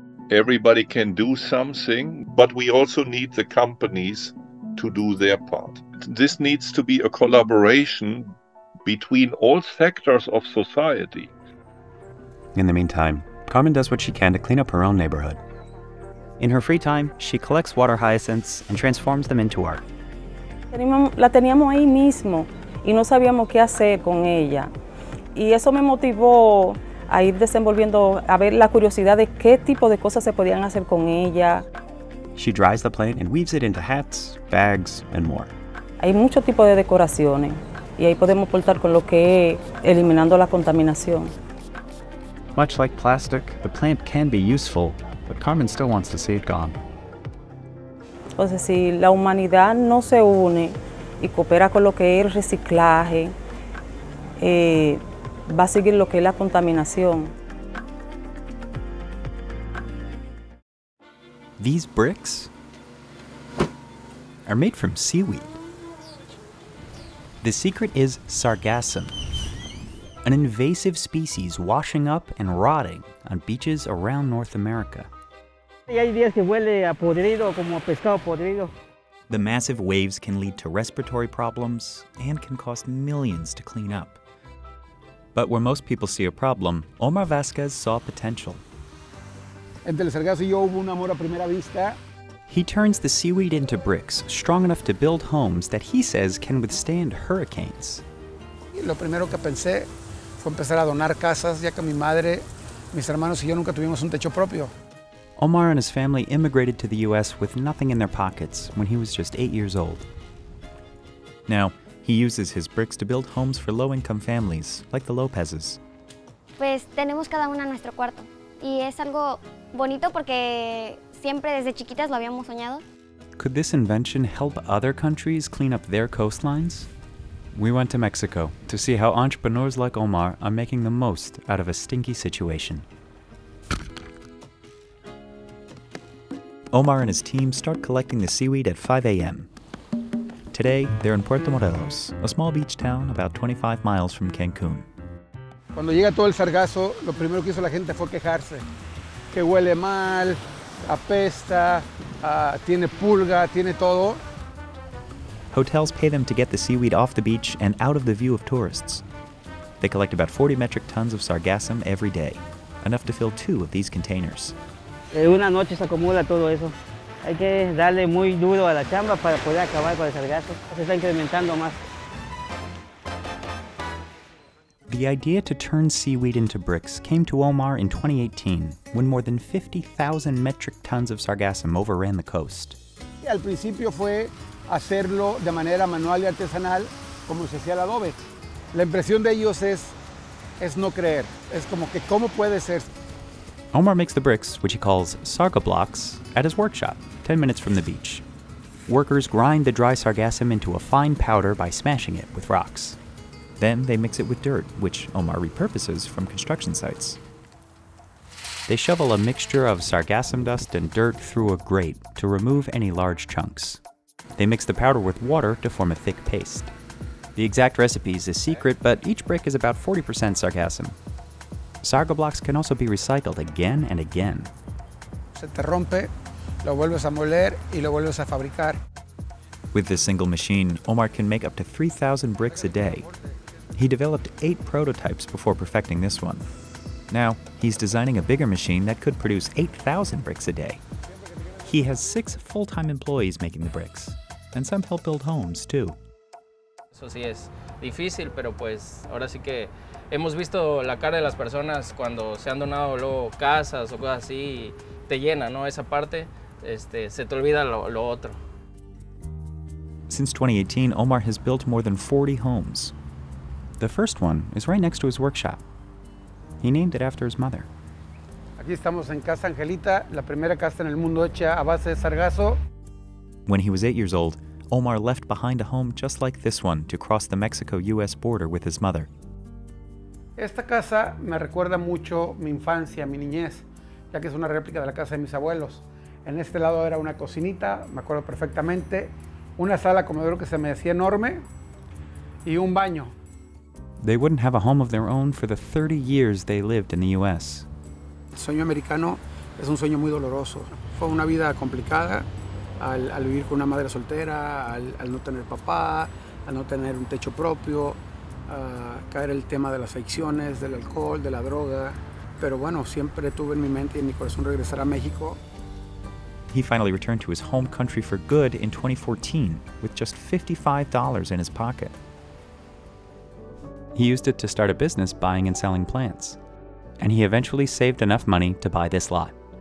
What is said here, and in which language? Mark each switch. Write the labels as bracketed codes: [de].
[en] Everybody can do something, but we also need the companies to do their part. This needs to be a collaboration between all sectors of society. In the meantime, Carmen does what she can to clean up her own neighborhood. In her free time, she collects water hyacinths and transforms them into art. [es] La teníamos ahí mismo y no sabíamos qué hacer con ella. Y eso me motivó a ir desenvolviendo, a ver la curiosidad de qué tipo de cosas se podían hacer con ella. [en] She dries the plant and weaves it into hats, bags, and more. [es] Hay muchos tipos de decoraciones y ahí podemos portar con lo que es eliminando la contaminación. [en] Much like plastic, the plant can be useful, but Carmen still wants to see it gone. [es] O sea, si la humanidad no se une y coopera con lo que es el reciclaje, va a seguir lo que es la contaminación. [en] These bricks are made from seaweed. The secret is sargassum, an invasive species washing up and rotting on beaches around North America. The massive waves can lead to respiratory problems and can cost millions to clean up. But where most people see a problem, Omar Vasquez saw potential. He turns the seaweed into bricks strong enough to build homes that he says can withstand hurricanes. [es] Lo primero que pensé fue empezar a donar casas, ya que mi madre, mis hermanos y yo nunca tuvimos un techo propio. [en] Omar and his family immigrated to the U.S. with nothing in their pockets when he was just 8 years old. Now, he uses his bricks to build homes for low-income families, like the Lopez's. [es] Pues tenemos cada una nuestro cuarto. Y es algo bonito porque siempre desde chiquitas lo habíamos soñado. [en] Could this invention help other countries clean up their coastlines? We went to Mexico to see how entrepreneurs like Omar are making the most out of a stinky situation. Omar and his team start collecting the seaweed at 5 a.m. Today, they're in Puerto Morelos, a small beach town about 25 miles from Cancun. [es] Cuando llega todo el sargazo, lo primero que hizo la gente fue quejarse. Que huele mal, apesta, tiene pulga, tiene todo. [en] Hotels pay them to get the seaweed off the beach and out of the view of tourists. They collect about 40 metric tons of sargassum every day, enough to fill two of these containers. [es] Una noche se acumula todo eso. Hay que darle muy duro a la chamba para poder acabar con el sargazo. Se está incrementando más. [en] The idea to turn seaweed into bricks came to Omar in 2018, when more than 50,000 metric tons of sargassum overran the coast. [es] Al principio fue hacerlo de manera manual y artesanal, como se hacía el adobe. La impresión de ellos es no creer. Es como que, ¿cómo puede ser? [en] Omar makes the bricks, which he calls sargablocks, at his workshop, 10 minutes from the beach. Workers grind the dry sargassum into a fine powder by smashing it with rocks. Then they mix it with dirt, which Omar repurposes from construction sites. They shovel a mixture of sargassum dust and dirt through a grate to remove any large chunks. They mix the powder with water to form a thick paste. The exact recipe is a secret, but each brick is about 40% sargassum. Sargablocks can also be recycled again and again. [es] Se te rompe, lo vuelves a moler y lo vuelves a fabricar. [en] With this single machine, Omar can make up to 3,000 bricks a day. He developed 8 prototypes before perfecting this one. Now, he's designing a bigger machine that could produce 8,000 bricks a day. He has 6 full-time employees making the bricks, and some help build homes, too. [es] Eso sí es difícil, pero pues ahora sí que hemos visto la cara de las personas cuando se han donado luego casas o cosas así, y te llena, ¿no? Esa parte, se te olvida lo otro. [en] Since 2018, Omar has built more than 40 homes. The first one is right next to his workshop. He named it after his mother. [es] Aquí estamos en Casa Angelita, la primera casa en el mundo hecha a base de sargazo. [en] When he was 8 years old, Omar left behind a home just like this one to cross the Mexico-US border with his mother. [es] Esta casa me recuerda mucho mi infancia, mi niñez, ya que es una réplica de la casa de mis abuelos. En este lado era una cocinita, me acuerdo perfectamente, una sala comedor que se me decía enorme y un baño. [en] They wouldn't have a home of their own for the 30 years they lived in the U.S. [es] El sueño americano es un sueño muy doloroso. Fue una vida complicada al vivir con una madre soltera, al no tener papá, al no tener un techo propio, caer el tema de las adicciones, del alcohol, de la droga. pero bueno, siempre tuve en mi mente y en mi corazón regresar a México. [en] He finally returned to his home country for good in 2014 with just $55 in his pocket. He used it to start a business buying and selling plants, and he eventually saved enough money to buy this lot.